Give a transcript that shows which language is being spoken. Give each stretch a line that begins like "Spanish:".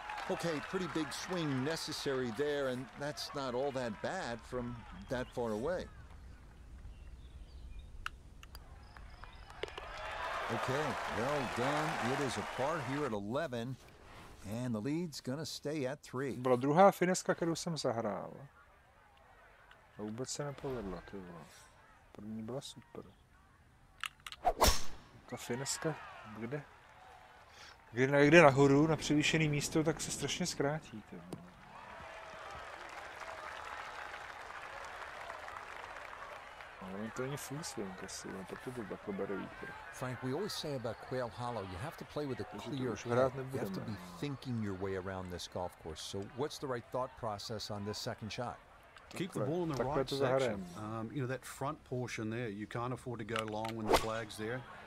English: Okay, pretty big swing necessary there, and that's not all that bad from that far away. Okay, well done. It is a par here at 11, and the lead's gonna stay at 3.
Czech: Byla druhá fineska, kterou jsem zahrál. A vůbec se nepovedla, ty vole. První byla super. Ta fineska, kde? Kde nahoru, na převýšený místo, tak se strašně zkrátí, ty vole. Ale to není full swing, asi, ale proto byl bakoberový krok.
English: Frank, we always say about Quail Hollow, you have to play with a clear head. You have to be thinking your way around this golf course. So what's the right thought process on this second shot? Keep the ball in the right section. You know, that front portion there, you can't afford to go long when the flag's there.